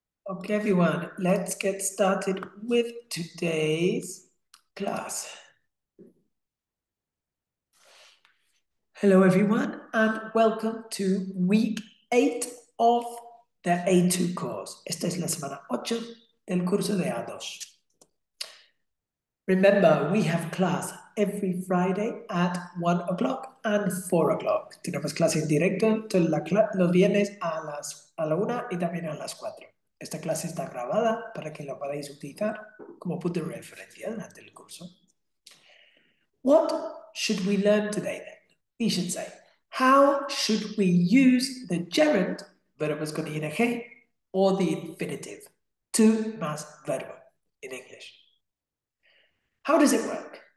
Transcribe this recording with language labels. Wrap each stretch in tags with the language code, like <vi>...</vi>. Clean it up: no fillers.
<en>Okay, everyone, let's get started with today's class. Hello, everyone, and welcome to week 8 of the A2 course.</en> <es>Esta es la semana 8 del curso de A2.</es> <en>Remember, we have class every Friday at 1 o'clock and 4 o'clock.</en> <es>Tenemos clase en directo todos los viernes a la 1 y también a las 4. Esta clase está grabada para que la podáis utilizar como punto de referencia durante el curso.</es> <en>What should we learn today then? We should say, how should we use the gerund,</en> <es>verbos con ing,</es> <en>or the infinitive, to más verbo in English? How does it work?</en>